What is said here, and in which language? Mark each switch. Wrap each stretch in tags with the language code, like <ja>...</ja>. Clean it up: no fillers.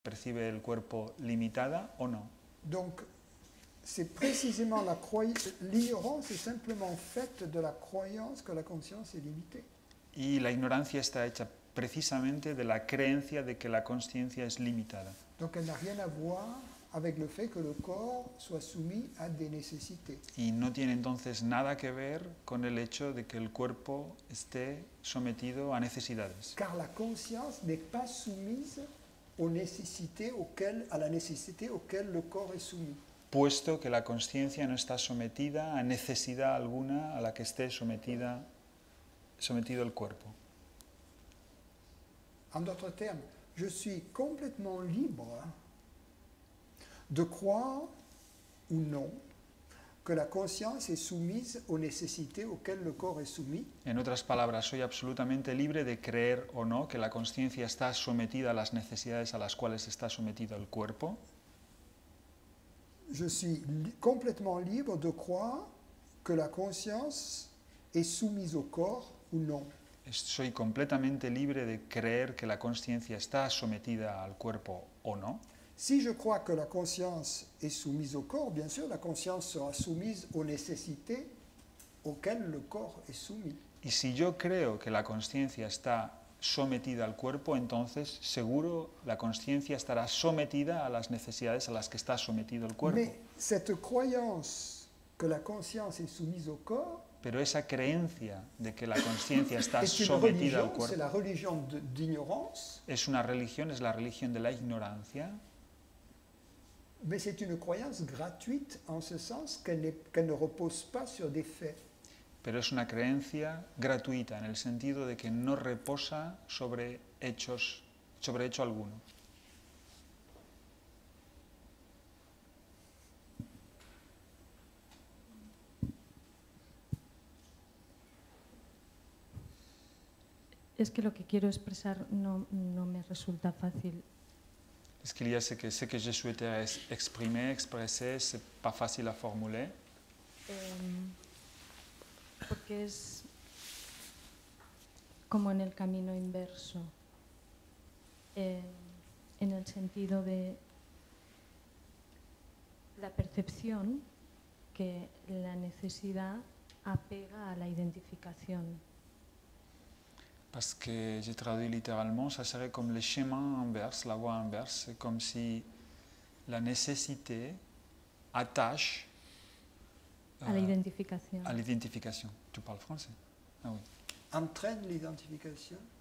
<es>percibe el cuerpo limitada o no.</es> <fr>Donc, c'est précisément la croyance, l'ignorance est simplement faite de la croyance que la conscience est limitée.</fr> <es>Y la ignorancia está hecha precisamente de la creencia de que la conciencia es limitada.</es> <fr>Donc, elle n'a rien à voir avec le fait que le corps soit soumis à des nécessités.</fr> <es>Y no tiene entonces nada que ver con el hecho de que el cuerpo esté sometido a necesidades.</es> <fr>Car la conscience n'est pas soumise aux nécessités auxquelles, à la nécessité auxquelles le corps est soumis.</fr> <es>Puesto que la conciencia no está sometida a necesidad alguna a la que esté sometido el cuerpo.</es> <fr>En d'autres termes, je suis complètement libre de croire ou non que la conscience est soumise aux nécessités auxquelles le corps est soumis.</fr> <es>En otras palabras, soy absolutamente libre de creer o no que la conciencia está sometida a las necesidades a las cuales está sometido el cuerpo.</es> <fr>Je suis complètement libre de croire que la conscience est soumise au corps ou non.</fr> <es>Soy completamente libre de creer que la conciencia está sometida al cuerpo o no.</es> <fr>Si je crois que la conscience est soumise au corps, bien sûr, la conscience sera soumise aux nécessités auxquelles le corps est soumis.</fr> <es>Y si yo creo que la conciencia está sometida al cuerpo, entonces seguro la conciencia estará sometida a las necesidades a las que está sometido el cuerpo.</es> <fr>Mais cette croyance que la conscience est soumise au corps,</fr> <es>pero esa creencia de que la conciencia está sometida al cuerpo,</es> <fr>c'est la religion d'ignorance,</fr> <es>es una religión, es la religión de la ignorancia.</es> <fr>Mais c'est une croyance gratuite en ce sens qu'elle ne repose pas sur des faits.</fr> <es>Pero es una creencia gratuita en el sentido de que no reposa sobre hechos, sobre hecho alguno. Es que lo que quiero expresar no me resulta fácil. Es que ya sé que</es> <fr>je souhaitais exprimer, expresser, c'est pas facile à formuler.</fr> <es>Porque es como en el camino inverso, en el sentido de la percepción que la necesidad apega a la identificación.</es> <fr>Parce que j'ai traduit littéralement, ça serait comme le chemin inverse, la voie inverse, c'est comme si la nécessité attache à l'identification. À l'identification. Tu parles français? Ah oui. Entraîne l'identification.</fr>